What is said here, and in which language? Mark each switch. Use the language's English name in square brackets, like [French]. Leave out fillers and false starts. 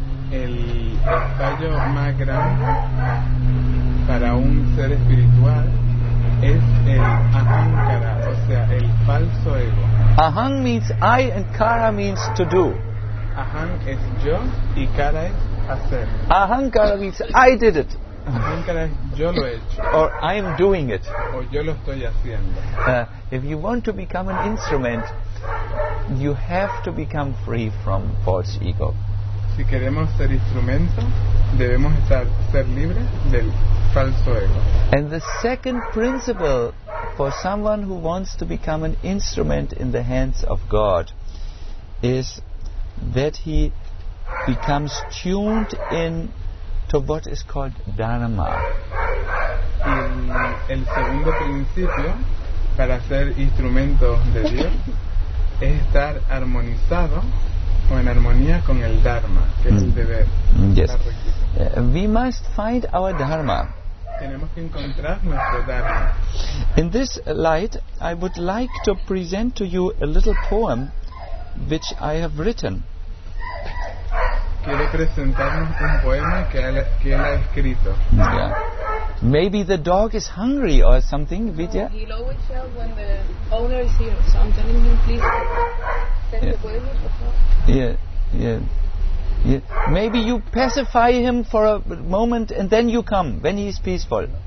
[Spanish] El fallo más grande para un ser espiritual es el ahankara, o sea, el falso ego. [English] Ahang means I and kara means to do. [Spanish] Ahang es yo y kara es hacer. [English] Ahankara means I did it. [Spanish] Ahankara es yo lo he hecho. [English] Or I am doing it. [Spanish] O yo lo estoy haciendo. [English] If you want to become an instrument, you have to become free from false ego. [Spanish] Si queremos ser instrumento, debemos estar ser libres del falso ego. [English] And the second principle for someone who wants to become an instrument in the hands of God is that he becomes tuned in to what is called dharma. [Spanish] El segundo principio para ser instrumento de Dios es estar armonizado o en armonía con el dharma, que es el deber. [English] Yes. We must find our dharma. [Spanish] Tenemos que encontrar nuestro dharma. [English] In this light, I would like to present to you a little poem which I have written. [Spanish] Quiero presentarnos un poema que él ha escrito. [English] Yeah. Maybe the dog is hungry or something, Vidya? He'll always shout when the owner is here, so I'm telling him, please send the poem or Yeah. Maybe you pacify him for a moment and then you come, when he is peaceful.